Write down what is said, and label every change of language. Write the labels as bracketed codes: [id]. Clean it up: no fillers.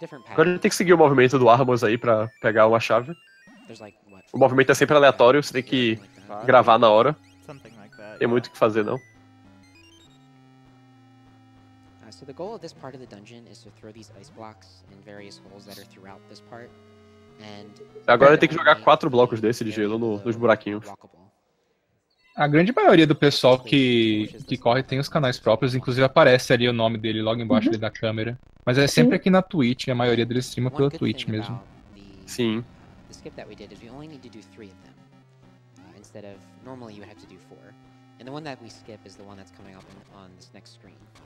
[pt] Agora a gente tem que seguir o movimento do Armos aí pra pegar uma chave. O movimento é sempre aleatório, você tem que gravar na hora. Tem muito o que fazer, não. [en] So the goal of this part of the dungeon is to throw these ice blocks in various holes that are throughout this part. And [pt] agora tem que jogar 4 blocos desse de gelo nos buraquinhos. A grande maioria do pessoal que corre tem os canais próprios, inclusive aparece ali o nome dele logo embaixo ali da câmera. Mas é sempre aqui na Twitch, a maioria deles streama pela Twitch mesmo. Sim. [en] The skip that we did is we only need to do 3 of them. Instead of normally you have to do 4. And the one that we skip is the one that's coming up on this next screen.